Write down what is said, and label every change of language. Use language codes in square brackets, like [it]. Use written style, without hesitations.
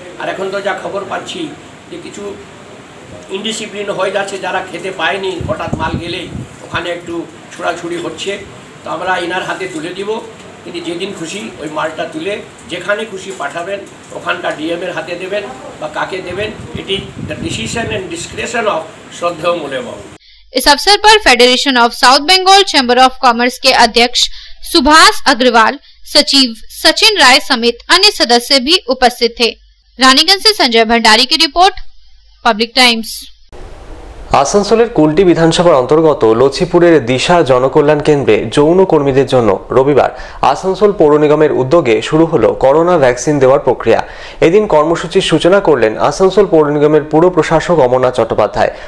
[bn] আর এখন তো যা খবর পাচ্ছি যে কিছু ইনডিসিপ্লিন হয়ে যাচ্ছে যারা খেতে পায়নি হঠাৎ মাল গেলে ওখানে একটু ছোড়াছুড়ি হচ্ছে তো আমরা ইনার হাতে তুলে দিব তিনি যেদিন খুশি ওই মালটা তুলে যেখানে খুশি পাঠাবেন ওখানকার ডিএমের হাতে দেবেন বা কাকে দেবেন এটি [en] the decision and discretion of [bn] শ্রদ্ধেয় মূল্যবাবু। [hi] इस अवसर पर federation of south Bengal chamber of commerce के अध्यक्ष सुभाष अग्रवाल सचिव सचिन राय समेत अन्य सदस्य भी उपस्थित थे। रानीगंज से संजय भंडारी की रिपोर्ट पब्लिक टाइम्स। [bn] আসানসোলের কুলটি বিধানসভার অন্তর্গত লছিপুরের দিশা জনকল্যাণ কেন্দ্রে যৌন কর্মীদের জন্য রবিবার আসানসোল পৌর নিগমের উদ্যোগে শুরু হলো করোনা ভ্যাকসিন দেওয়ার প্রক্রিয়া। এদিন কর্মসূচির সূচনা করলেন আসানসোল পৌর নিগমের পুর প্রশাসক অমরনাথ চট্টোপাধ্যায়।